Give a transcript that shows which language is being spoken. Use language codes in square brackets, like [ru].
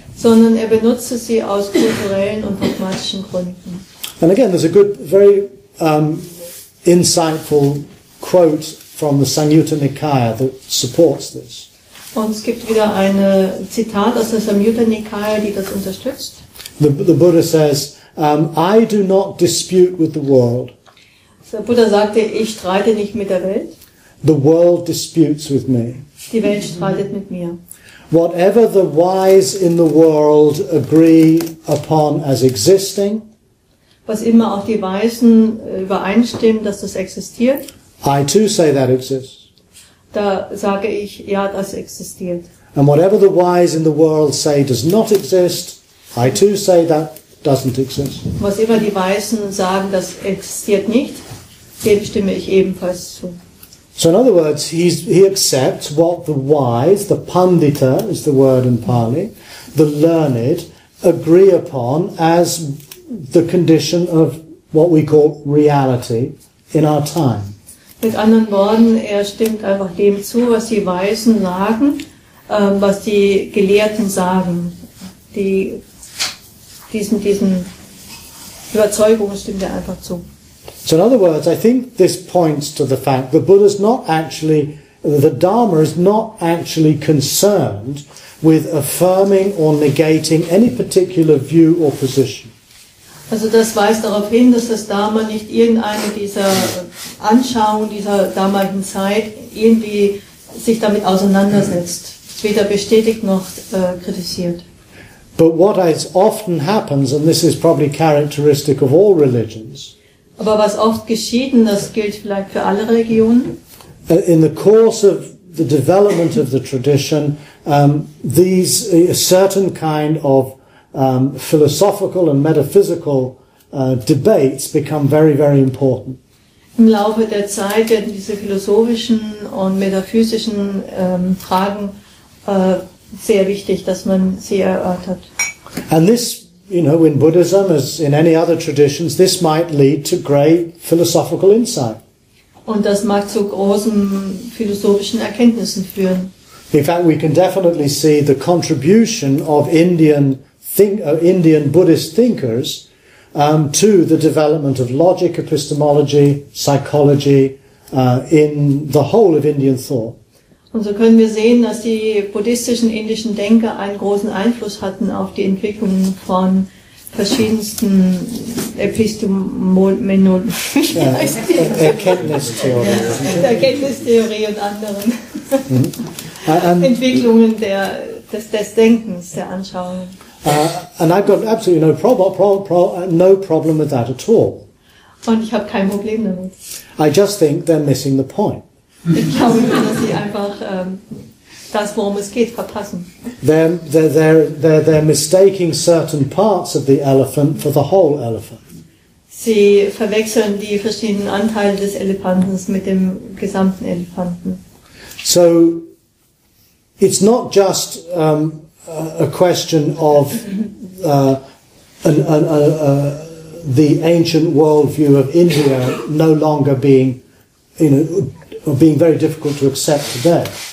[de] Sondern er benutzte sie aus kulturellen und pragmatischen Gründen. [en] And again, there's a good, very insightful quote from the Samyutta Nikaya that supports this. [de] Und es gibt wieder ein Zitat aus der Samyutta Nikaya, die das unterstützt. [en] The Buddha says, I do not dispute with the world. [de] Der Buddha sagte, ich streite nicht mit der Welt. [en] The world disputes with me. [de] Die Welt streitet mit mir. [en] Whatever the wise in the world agree upon as existing, [de] was immer auch die Weisen übereinstimmen, dass das existiert, [en] I too say that exists. [de] Da sage ich, ja, das existiert. [en] And whatever the wise in the world say does not exist, I too say that doesn't exist. [de] Was immer die Weisen sagen, das existiert nicht, dem stimme ich ebenfalls zu. [en] So in other words, he accepts what the wise, the pandita is the word in Pali, the learned, agree upon as the condition of what we call reality in our time. [de] Mit anderen Worten, stimmt einfach dem zu, was die Weisen sagen, was die Gelehrten sagen. Diesen Überzeugungen stimmt einfach zu. [en] So in other words, I think this points to the fact the Buddha's not actually, the Dharma is not actually concerned with affirming or negating any particular view or position. [de] Also das weist darauf hin, dass das Dharma nicht irgendeine dieser Anschauungen dieser damaligen Zeit irgendwie sich damit auseinandersetzt, weder bestätigt noch kritisiert. [en] But what is often happens, and this is probably characteristic of all religions, [de] aber was oft geschieht, das gilt vielleicht für alle Religionen. [en] In the course of the development of the tradition, these a certain kind of philosophical and metaphysical debates become very, very important. [de] Im Laufe der Zeit werden diese philosophischen und metaphysischen Fragen sehr wichtig, dass man sie erörtert. [en] And this, you know, in Buddhism, as in any other traditions, this might lead to great philosophical insight. [de] Und das mag zu großen philosophischen Erkenntnissen führen. [en] In fact, we can definitely see the contribution of Indian Buddhist thinkers to the development of logic, epistemology, psychology in the whole of Indian thought. [de] Und so können wir sehen, dass die buddhistischen indischen Denker einen großen Einfluss hatten auf die Entwicklung von verschiedensten Erkenntnistheorie und anderen Entwicklungen des Denkens, der Anschauungen. [en] And I've got absolutely no problem with that at all. [de] Und ich habe kein Problem damit. [en] I just think they're missing the point. [de] Ich glaube nur, dass sie einfach das, worum es geht, verpassen. [en] They're mistaking certain parts of the elephant for the whole elephant. [de] Sie verwechseln die verschiedenen Anteile des Elefanten mit dem gesamten Elefanten. [en] So, it's not just a question of the ancient worldview of India no longer being, you know, being very difficult to accept today.